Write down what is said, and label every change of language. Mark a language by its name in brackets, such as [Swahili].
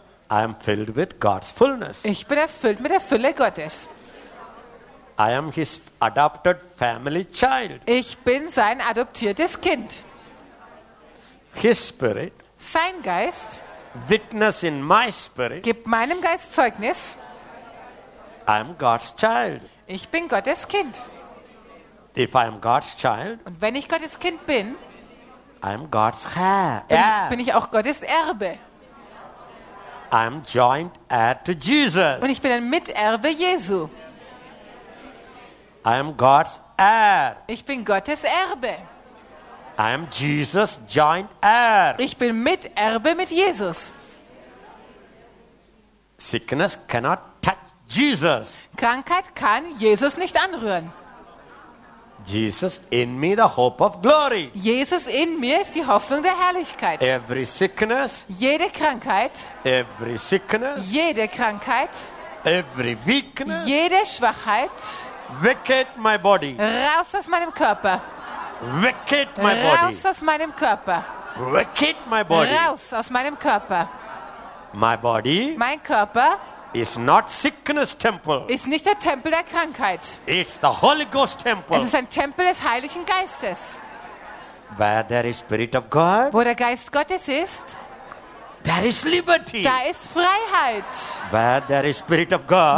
[English] I am filled with God's fullness. [German] Ich bin erfüllt mit der Fülle Gottes. [English] I am his adopted family child. [German] Ich bin sein adoptiertes Kind. [English] His spirit. [German] Sein Geist. [English] Witness in my spirit. [German] Gibt meinem Geist Zeugnis. [English] I am God's child. [German] Ich bin Gottes Kind. [English] If I am God's child, [German] und wenn ich Gottes Kind bin, [English] I am God's heir. [German] Bin ich auch Gottes Erbe. [English] I am joint heir to Jesus. [German] Und ich bin ein Miterbe Jesu. [English] I am God's heir. [German] Ich bin Gottes Erbe. [English] I am Jesus' joint heir. [German] Ich bin Miterbe mit Jesus. [English] Sickness cannot touch Jesus. [German] Krankheit kann Jesus nicht anrühren. [English] Jesus in me, the hope of glory. [German] Jesus in mir ist die Hoffnung der Herrlichkeit. [English] Every sickness. [German] Jede Krankheit. [English] Every sickness. [German] Jede Krankheit. [English] Every weakness. [German] Jede Schwachheit. [English] Wicked my body. [German] Raus aus meinem Körper. [English] Wicked my body. [German] Raus aus meinem Körper. [English] Wicked my body. [German] Raus aus meinem Körper. [English] My body. [German] Mein Körper. [English] Is not sickness temple. [German] Ist nicht der Tempel der Krankheit. [English] It's the Holy Ghost temple. [German] Es ist ein Tempel des Heiligen Geistes. [English] Where there is Spirit of God. [German] Wo der Geist Gottes ist. [English] There is liberty. [German] Da ist Freiheit. [English] Where there is Spirit of God.